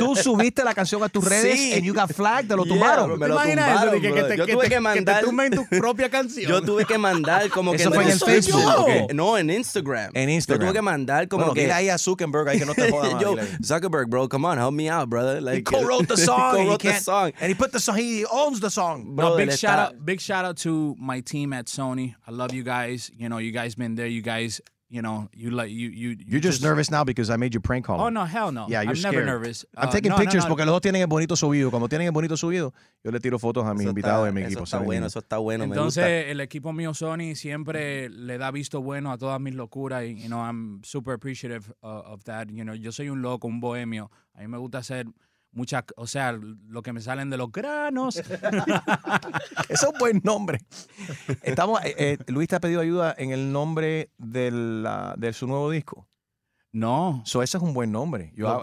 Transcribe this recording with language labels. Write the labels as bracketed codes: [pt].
[es] ¿Y tú subiste la canción a tus redes? Sí. [en] And you got flagged, [es] te lo tumbaron. Me lo tumbaron. Yo tuve que mandar. Que te tumben tu propia canción. Yo tuve que mandar como que. ¿Eso fue en el Facebook? No, en Instagram. En Instagram. Yo tuve que mandar como bueno, que. Mira ahí a Zuckerberg, ahí que no te jodas. [en] Yo, Zuckerberg, bro, come on, help me out, brother. Like, he co-wrote the song. He co-wrote the song. And he put the song, he owns the song. Bro, no, big shout out to my team at Sony. I love you guys. You know, you guys been there. You guys. You know, you're just nervous now because I made you prank call. Oh no, hell no. Yeah, you're I'm scared. Never nervous. I'm taking pictures because [es] los dos tienen el bonito subido. Cuando tienen el bonito subido, yo le tiro fotos a mis invitados y a mi equipo. Eso está bueno, eso está bueno. Entonces, me gusta. El equipo mío Sony siempre le da visto bueno a todas mis locuras. [en] Y, you know, I'm super appreciative of that. You know, [es] yo soy un loco, un bohemio. A mí me gusta hacer muchas, o sea, lo que me salen de los granos. Eso es un buen nombre. Estamos, Luis te ha pedido ayuda en el nombre de su nuevo disco. No. So, ese es un buen nombre. Yo